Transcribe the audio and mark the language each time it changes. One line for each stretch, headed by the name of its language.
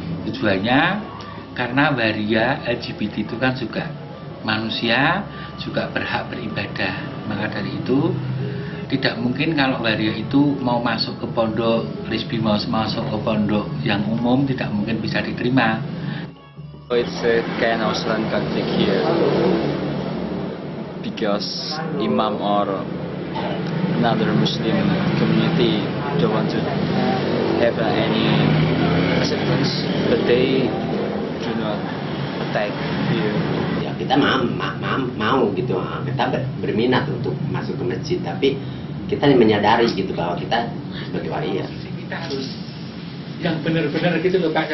Indonesian: Tujuannya karena waria LGBT itu kan juga manusia juga berhak beribadah. Maka dari itu tidak mungkin kalau waria itu mau masuk ke pondok lesbi, mau masuk ke pondok yang umum, tidak mungkin bisa diterima.
English: So it's a kind of strange conflict here because imam or another Muslim community don't want to have any acceptance, but they do not attack here.
Indonesian: Kita mau gitu, kita berminat untuk masuk ke masjid, tapi kita menyadari gitu bahwa kita sebagai waria kita harus yang benar-benar gitu loh Pak.